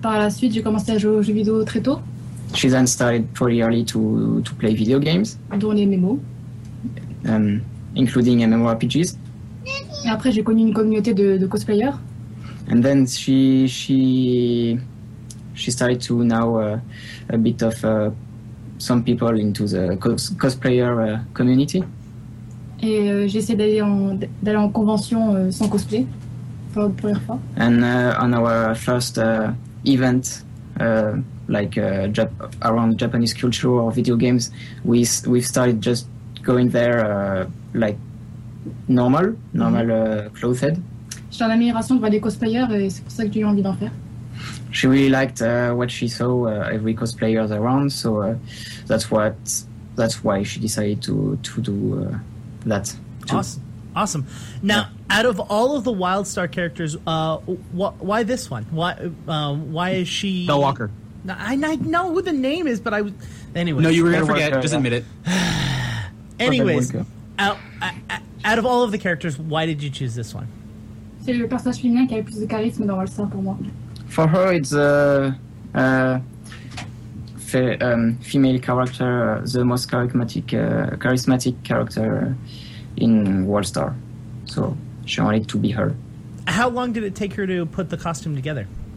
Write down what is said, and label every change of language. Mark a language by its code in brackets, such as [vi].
[fr] Par la suite, j'ai commencé à jouer aux jeux vidéo très tôt. [en] She then started pretty early to play video games. [fr] Dont les MMO. [en] Including MMORPGs. [fr] Et après, j'ai connu une communauté de cosplayers. [en] And then she started to now a bit of some people into the cosplayer community. [fr] Et j'essaie d'aller en convention sans cosplay. [en] And on our first event, around Japanese culture or video games, we've started just going there like normal clothed. [fr] J'ai une admiration pour les cosplayers et c'est pour ça que j'ai eu envie d'en faire. [en] She really liked what she saw every cosplayer around, so that's why she decided to do that. Awesome. Now, out of all of the WildStar characters, why this one? Why is she... Bell Walker. I know who the name is, but I... Anyway. No, you were going to forget. Just admit it. Anyways, out of all of the characters, why did you choose this one? [fr] C'est le personnage féminin qui a le plus de charisme dans WildStar pour moi. [en] For her, it's a female character, the most charismatic character in WildStar. So she wanted to be her. How long did it take her to put the costume together?